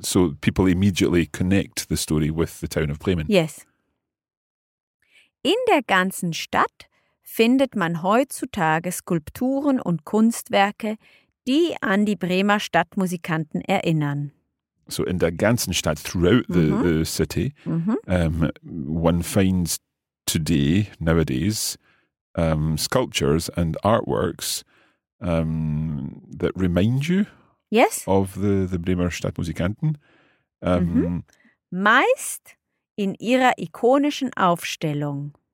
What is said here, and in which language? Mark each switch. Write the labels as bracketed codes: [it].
[en] So people immediately connect the story with the town of Bremen. Yes. [de] In der ganzen Stadt findet man heutzutage Skulpturen und Kunstwerke, die an die Bremer Stadtmusikanten erinnern. [en] So [de] in der ganzen Stadt, [en] throughout the, mm-hmm. the city, mm-hmm. One finds today, nowadays, sculptures and artworks that remind you yes. of the Bremer Stadtmusikanten. [de] Meist in ihrer ikonischen Aufstellung.